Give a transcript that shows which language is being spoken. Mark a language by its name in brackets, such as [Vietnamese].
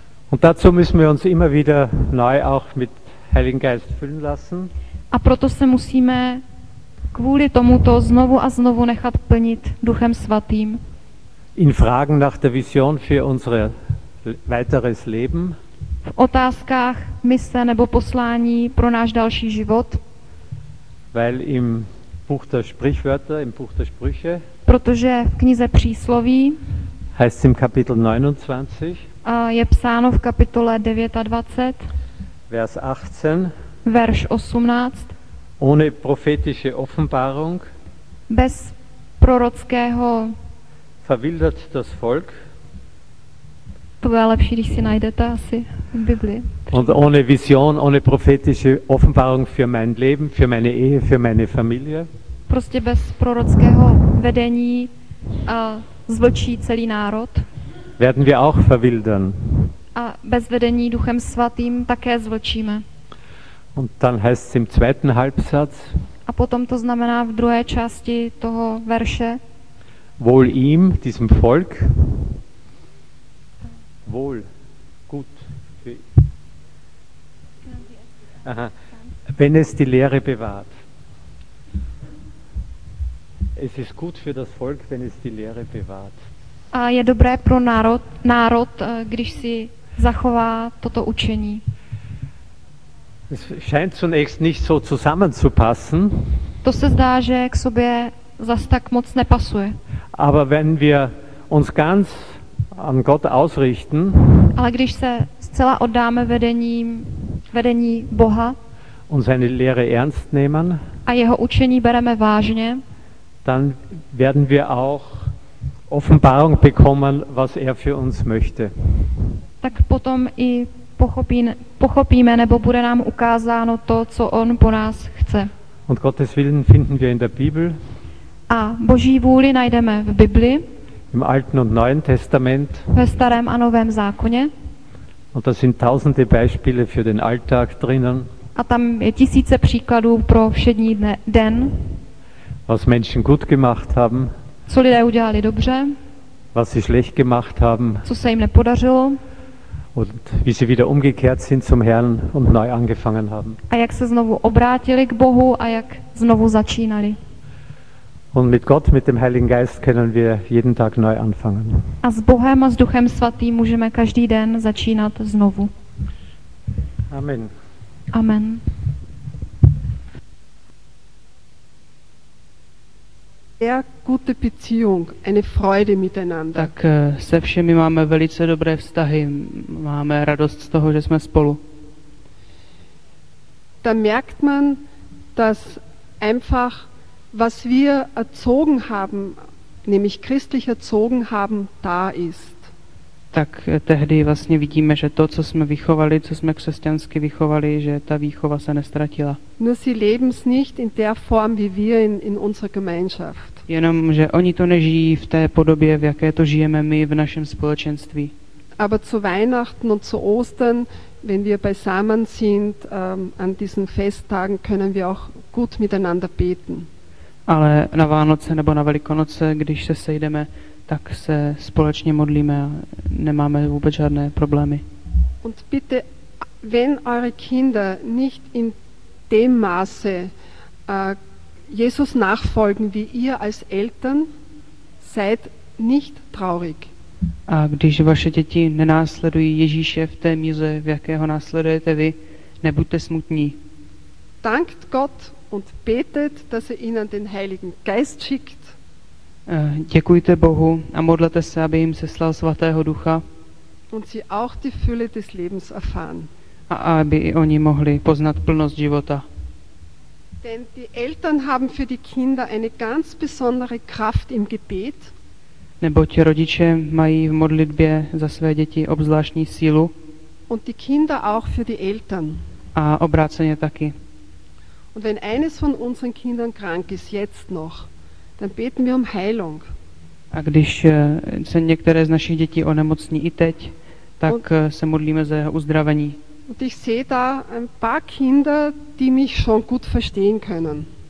[German] Und dazu müssen wir uns immer wieder neu auch mit Heiligen Geist füllen lassen. [Czech] A proto se musíme kvůli tomuto znovu a znovu nechat plnit Duchem Svatým. [German] In Fragen nach der Vision für unser weiteres Leben. [Czech] V otázkách mise nebo poslání pro náš další život. [German] Weil im Buch der Sprichwörter, im Buch der Sprüche. [Czech] Protože v knize přísloví. [German] Heißt im Kapitel 29. [Czech] A je psáno v kapitole 29. [German] Vers 18. [Czech] Verš 18. [German] Ohne prophetische Offenbarung. [Czech] Bez prorockého. [German] Verwildert das Volk. [Czech] To bude lepší, když si najdete asi v Biblii. [German] Und ohne Vision, ohne prophetische Offenbarung für mein Leben, für meine Ehe, für meine Familie. [Czech] Prostě bez prorockého vedení a zvlčí celý národ. [German] Werden wir auch verwildern. [Czech] A bez vedení Duchem Svatým také zvlčíme. [German] Und dann heißt es im zweiten Halbsatz. [Czech] A potom to znamená v druhé části toho verše. [German] Wohl ihm, diesem Volk. Wohl, gut. Aha. Wenn es die Lehre bewahrt. Es ist gut für das Volk, wenn es die Lehre bewahrt. [Czech] A je dobré pro národ, když si zachová toto učení. [German] Es scheint zunächst nicht so zusammenzupassen. [Czech] To se zdá, že k sobě zas tak moc nepasuje. [German] Aber wenn wir uns ganz an Gott ausrichten. [Czech] Ale když se zcela oddáme vedení Boha. [German] Und seine Lehre ernst nehmen. [Czech] A jeho učení bereme vážně. [German] Dann werden wir auch Offenbarung bekommen, was er für uns möchte. [Czech] Tak potom i pochopíme, nebo bude nám ukázáno to, co on po nás chce. [German] Und Gottes Willen finden wir in der Bibel. [Czech] A Boží vůli najdeme v Bibli. [German] Im Alten und Neuen Testament. [Czech] Ve Starém a Novém zákoně. [German] Und da sind tausende Beispiele für den Alltag drinnen. [Czech] A tam je tisíce příkladů pro všední den. [German] Was Menschen gut gemacht haben. [Czech] Co lidé udělali dobře. [German] Was sie schlecht gemacht haben. [Czech] Co se jim nepodařilo. [German] Und wie sie wieder umgekehrt sind zum Herrn und neu angefangen haben. [Czech] A jak se znovu obrátili k Bohu a jak znovu začínali. [German] Und mit Gott, mit dem Heiligen Geist können wir jeden Tag neu anfangen. [Czech] A s Bohem a s Duchem Svatým můžeme každý den začínat znovu. Amen. Amen. [German] Sehr gute Beziehung, eine Freude miteinander. [Czech] Tak se všemi máme velice dobré vztahy, máme radost z toho, že jsme spolu. [German] Da merkt man, dass einfach was wir erzogen haben, nämlich christlich erzogen haben, da ist. [Czech] Tak tehdy vlastně vidíme, že to, co jsme vychovali, co jsme křesťansky vychovali, že ta výchova se nestratila. [German] Nur sie leben es nicht in der Form, wie wir in unserer Gemeinschaft. [Czech] Jenom, že oni to nežijí v té podobě, v jaké to žijeme my v našem společenství. [German] Aber zu Weihnachten und zu Ostern, wenn wir beisammen sind, an diesen Festtagen, können wir auch gut miteinander beten. [Czech] Ale na Vánoce nebo na Velikonoce, když se sejdeme, tak se společně modlíme a nemáme vůbec žádné problémy. [German] Und bitte, wenn eure Kinder nicht in dem Maße Jesus nachfolgen wie ihr als Eltern, seid nicht traurig. [Czech] A když vaše děti nenásledují Ježíše v té míře, v jaké ho následujete vy, nebuďte smutní. [German] Dankt Gott und betet, dass er ihnen den Heiligen Geist schickt. [Czech] Děkujte Bohu a modlete se, aby jim seslal svatého ducha. [German] Und sie auch die Fülle des Lebens erfahren. [Czech] A aby oni mohli poznat plnost života. [German] Denn die Eltern haben für die Kinder eine ganz besondere Kraft im Gebet. [Czech] Neboť rodiče mají v modlitbě za své děti obzvláštní sílu. [German] Und die Kinder auch für die Eltern. [Czech] A obráceně taky. [German] Und wenn eines von unseren Kindern krank ist jetzt noch, dann beten wir um Heilung. [Czech] A když se některé z našich dětí onemocní i teď, tak se modlíme za jeho uzdravení. [German] Und ich sehe da ein paar Kinder, die mich schon gut verstehen können.